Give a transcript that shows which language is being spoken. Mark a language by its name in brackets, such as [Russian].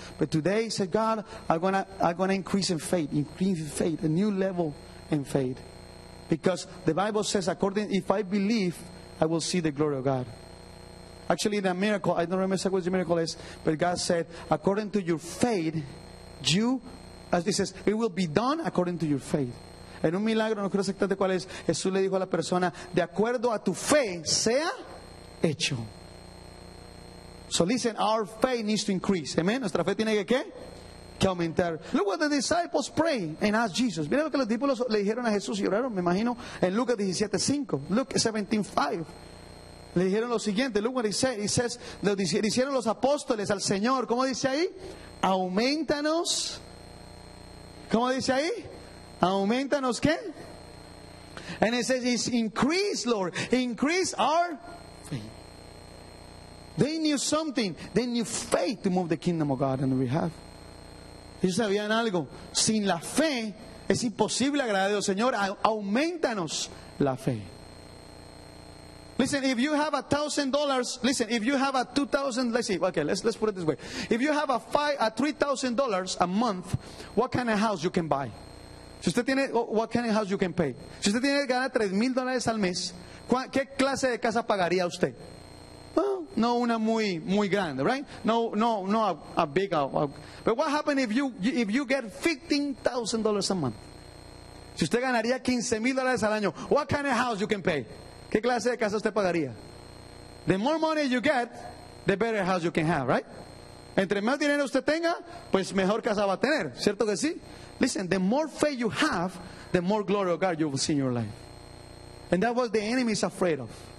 [English] But today, said God, I'm gonna increase in faith, a new level in faith, because the Bible says, according if I believe, I will see the glory of God. Actually, in a miracle, I don't remember what the miracle is, but God said, according to your faith, you, as He says, it will be done according to your faith. [Spanish] En un milagro, no creo exactamente cuál es, Jesús le dijo a la persona, de acuerdo a tu fe, sea hecho. [English] So listen, our faith needs to increase. Amen. [Spanish] Nuestra fe tiene que, ¿qué? Que aumentar. [English] Look what the disciples pray and ask Jesus. [Spanish] Mira lo que los discípulos le dijeron a Jesús y oraron, me imagino, en Lucas 17:5. Luke 17:5. Le dijeron lo siguiente, [English] look what he said. He says, [Spanish] le dijeron los apóstoles al Señor, ¿cómo dice ahí? Aumentanos. ¿Cómo dice ahí? Aumentanos qué? [English] And it says, it's increase, Lord. Increase our faith. They knew something. They knew faith to move the kingdom of God on behalf. [Spanish] Ellos sabían algo. Sin la fe, es imposible agradar a Dios. Señor, aumentanos la fe. [English] Listen, if you have $1,000, listen, if you have let's put it this way. If you have $3,000 a month, what kind of house you can buy? [Spanish] Si usted tiene, [English] what kind of house you can pay? [Spanish] Si usted tiene gana $3,000 al mes, ¿qué clase de casa pagaría usted? Well, no una muy, muy grande, [English] right? [Spanish] No, [English] a big house. But what happens if you get $15,000 a month? [Spanish] Si usted ganaría $15,000 al año, [English] what kind of house you can pay? [Spanish] ¿Qué clase de casa usted pagaría? [English] The more money you get, the better house you can have, right? [Spanish] Entre más dinero usted tenga, pues mejor casa va a tener, ¿cierto que sí? [English] Listen, the more faith you have, the more glory of God you will see in your life. And that's what the enemy is afraid of.